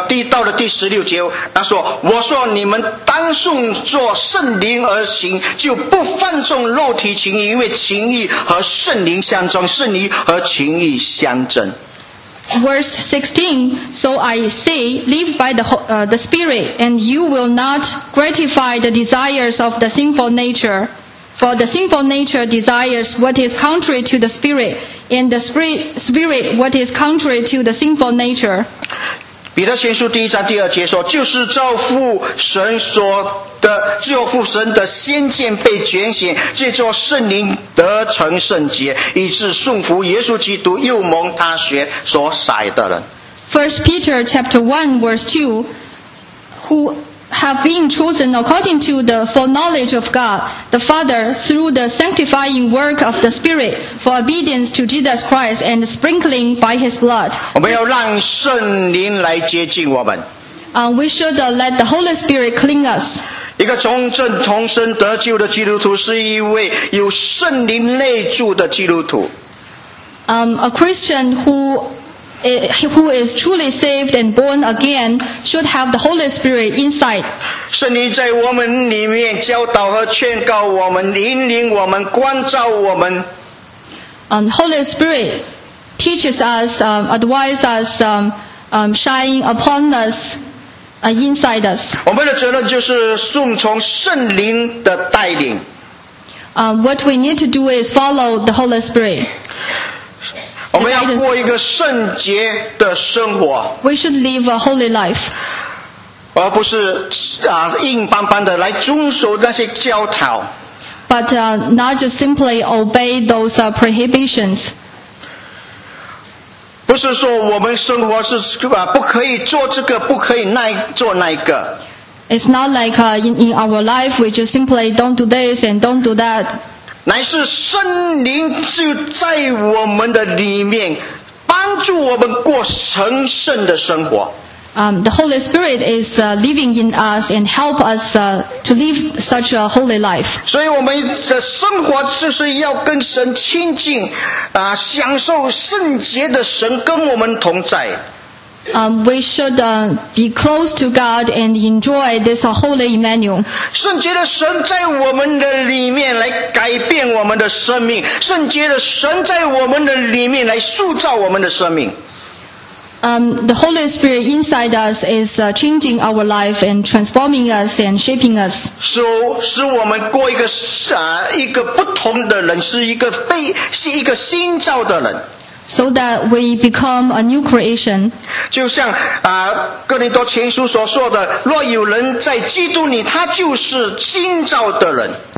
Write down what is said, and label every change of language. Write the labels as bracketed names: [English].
[Chinese] 到了第十六节，他说，我说你们当顺着圣灵而行，就不放纵肉体情欲，因为情欲和圣灵相争，圣灵和情欲相争。 [English] Verse 16, so I say, live by the Spirit, and you will not gratify the desires of the sinful nature. For the sinful nature desires what is contrary to the spirit, and the spirit what is contrary to the sinful nature. [Chinese] 彼得前书第一章第二节说，就是照父神所的，照父神的先见被拣选，借着圣灵得成圣洁，以致顺服耶稣基督，又蒙他血所洗的人。 [English] First Peter chapter 1 verse 2, who... have been chosen according to the foreknowledge of God, the Father, through the sanctifying work of the Spirit, for obedience to Jesus Christ and sprinkling by His blood. [Chinese] 我们要让圣灵来接近我们。 [English] We should let the Holy Spirit clean us. [Chinese] 一个从圣同生得救的基督徒是一位有圣灵内住的基督徒。 [English] A Christian who is truly saved and born again should have the Holy Spirit inside. [Chinese] 圣灵在我们里面教导和劝告我们，引领我们，关照我们。 [English] Holy Spirit teaches us, advises us, shine upon us, inside us. [Chinese] 我们的责任就是顺从圣灵的带领。 [English] What we need to do is follow the Holy Spirit. [Chinese] 我们要过一个圣洁的生活。 [English] We should live a holy life. [Chinese] 而不是硬邦邦的来遵守那些教条。 [English] But not just simply obey those prohibitions. [Chinese] 不是说我们生活是不可以做这个，不可以做那个。 [English] It's not like in our life we just simply don't do this and don't do that. [Chinese] 乃是圣灵就在我们的里面帮助我们过成圣的生活。 [English] The Holy Spirit is living in us and help us to live such a holy life. [Chinese] 所以我们的生活就是要跟神亲近，享受圣洁的神跟我们同在。 [English] We should be close to God and enjoy this holy Emmanuel. [Chinese] 圣洁的神在我们的里面来改变我们的生命，圣洁的神在我们的里面来塑造我们的生命。 [English] The Holy Spirit inside us is changing our life and transforming us and shaping us. [Chinese] 使我们过一个一个不同的人，是一个新造的人。 [English] So that we become a new creation. [Chinese] 就像哥林多前书所说的，若有人在基督里，他就是新造的人。